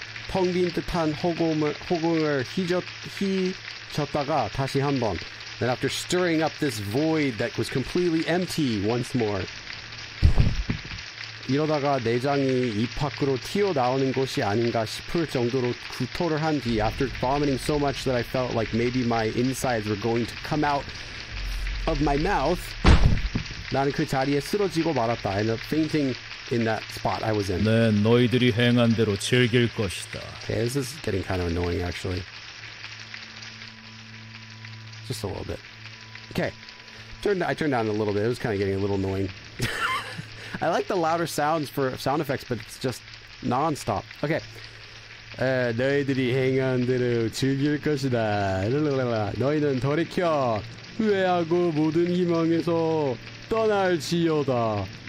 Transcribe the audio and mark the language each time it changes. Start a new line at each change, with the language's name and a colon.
Korean: 텅 빈 듯한 허공을 휘젓다가 다시 한 번.
English: And after stirring up this void that was completely empty once more.
Korean: 이러다가 내장이 입 밖으로 튀어나오는 것이 아닌가 싶을 정도로 구토를 한 뒤,
English: after vomiting so much that I felt like maybe my insides were going to come out of my mouth.
Korean: 나는 그 자리에 쓰러지고 말았다.
English: I ended up fainting in that spot I was in.
Korean: 네, 너희들이 행한 대로 즐길 것이다.
English: Okay, this is getting kind of annoying, actually. Just a little bit. Okay, I turned down a little bit. It was kind of getting a little annoying. I like the louder sounds for sound effects, but it's just nonstop. Okay.
Korean: 너희들이 행한 대로 즐길 것이다. 너희는 돌이켜 후회하고 모든 희망에서 떠날지어다.